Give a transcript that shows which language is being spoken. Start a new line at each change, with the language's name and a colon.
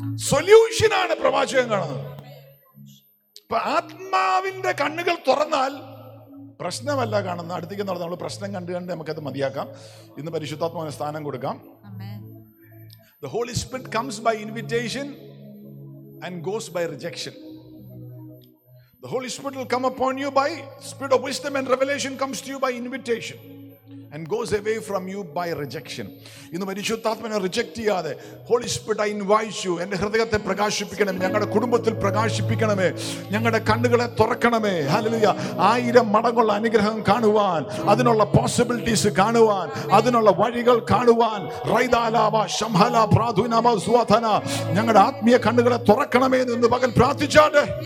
Malayalam: സൊല്യൂഷനാണ് പ്രവാചകൻ കാണുന്നത്. ആത്മാവിന്റെ കണ്ണുകൾ തുറന്നാൽ പ്രശ്നമല്ല കാണുന്നത്. അടുത്തേക്ക് നടന്നു, നമ്മൾ പ്രശ്നം കണ്ടു കണ്ട് നമുക്കത് മതിയാക്കാം. ഇന്ന് പരിശുദ്ധാത്മാവിന് സ്ഥാനം കൊടുക്കാം.
English: The Holy Spirit comes by invitation and goes by rejection. The Holy Spirit will come upon you by spirit of wisdom and revelation comes to you by invitation and goes away from you by rejection.
Malayalam: ഇന്ന് പരിശുദ്ധാത്മാവിനെ reject ചെയ്യാതെ,
English: Holy Spirit, I invite you,
Malayalam: എന്റെ ഹൃദയത്തെ പ്രകാശിപ്പിക്കണം, ഞങ്ങളുടെ കുടുംബത്തിൽ പ്രകാശിപ്പിക്കണമേ, ഞങ്ങളുടെ കണ്ണുകളെ തുറക്കണമേ, hallelujah, 1000 മടങ്ങുള്ള അനുഗ്രഹം കാണുവാൻ, അതിനുള്ള പോസിബിലിറ്റീസ് കാണുവാൻ, അതിനുള്ള വഴികൾ കാണുവാൻ, റൈദാലാവ ശംഹല പ്രാധുനാവ സുവധന, ഞങ്ങളുടെ ആത്മീയ കണ്ണുകളെ തുറക്കണമേ എന്ന് പകൽ പ്രാർത്ഥിച്ചാണ്.